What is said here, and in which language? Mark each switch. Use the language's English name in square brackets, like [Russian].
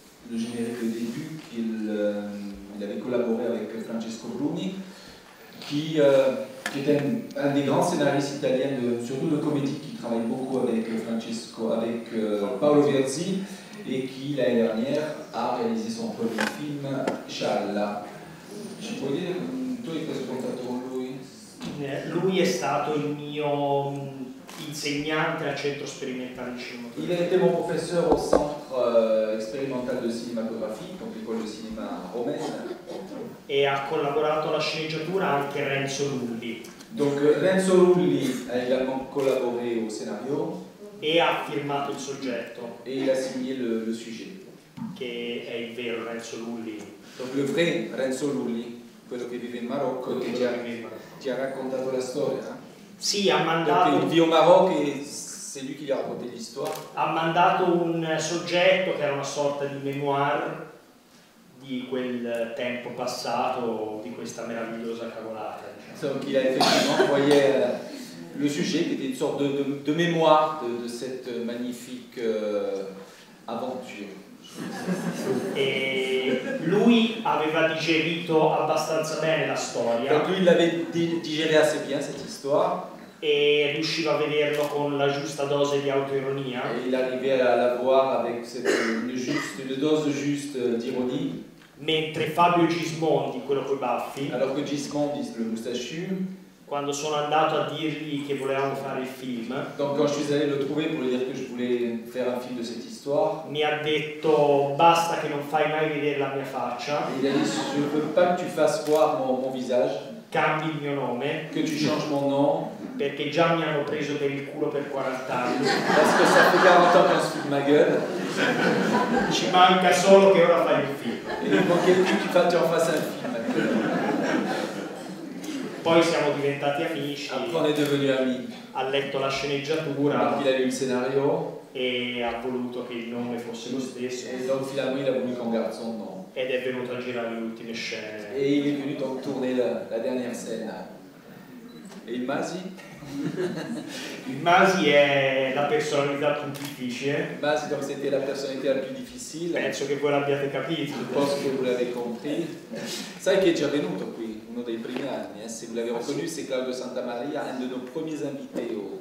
[French] Le générique de début qu'il avait collaboré avec Francesco Bruni qui est un des grands scénaristes italiens surtout de comédie, qui travaille beaucoup avec Francesco, avec Paolo Verzi, et qui l'année dernière a réalisé son premier film Challa. [Italian] Ci puoi dire tu hai confrontato con lui? Lui è stato il mio insegnante al centro sperimentale cinematografico. [French] Il était mon professeur au centre expérimental de cinématographie, donc l'école de cinéma romaine. [Italian] Et a collaborato alla sceneggiatura anche Renzo Lulli. [French] Donc Renzo Lulli a également collaboré au scénario. [Italian] Et a firmato il soggetto. [French] Et il a signé le sujet. [Italian] Che è il vero Renzo Lulli. [French] Donc le vrai Renzo Lulli, [Italian] quello che vive in Marocco, che ti ha raccontato la storia. Sì, ha mandato. [French] Donc, il vit au Maroc e. C'est lui qui [Italian] gli ha raccontato [French] l'histoire. [Italian] Ha mandato un soggetto che era una sorta di memoir di quel tempo passato, di questa meravigliosa cavolata. Diciamo. [French] Donc, il a effectivement envoyé le sujet, qui était une sorte de mémoire de cette magnifique aventure. [Italian] E lui aveva digerito abbastanza bene la storia. [French] Donc lui l'avait digéré assez bien cette histoire. [Italian] E riusciva a vederlo con la giusta dose di autoironia. [French] Et il arrivait à la voir avec une dose juste d'ironie. [Italian] Mentre Fabio Gismondi, quello coi baffi, [French] alors que Gismondi, le moustachu, [Italian] quando sono andato a dirgli che volevamo fare il film, [French] donc quand je suis allé le trouver pour lui dire que je voulais faire un film de cette histoire, [Italian] mi ha detto basta che non fai mai vedere la mia faccia. [French] Il a dit je veux pas que tu fasses voir mon visage. [Italian] Cambi il mio nome. [French] Que tu changes mon nom. [Italian] Perché già mi hanno preso per il culo per 40 anni. [French] Parce que ça fait 40 ans qu'on se fout de ma gueule. [Italian] Ci manca solo che ora fai il film. [French] Et il manquait plus que tu en fasses un film. [Italian] Poi siamo diventati amici. [French] Après on est devenu ami. [Italian] Ha letto la sceneggiatura. [French] Il a lu le scénario. [Italian] E ha voluto che il nome fosse lo stesso. [French] Et donc finalement il a voulu qu'on garde son nom. [Italian] Ed è venuto a girare le ultime scene. [French] Et il est venu donc tourner la dernière scène. [Italian] E il Masi? Il Masi è la personalità più difficile. [French] Masi, donc c'était la personnalité la plus difficile. [Italian] Penso che voi l'abbiate capito. [French] Je pense que vous l'avez compris. [Italian] Sai che è già venuto qui, uno dei primi anni. [French] Se vous l'avez reconnu, c'est Claudio Santamaria, un de nos premiers invités.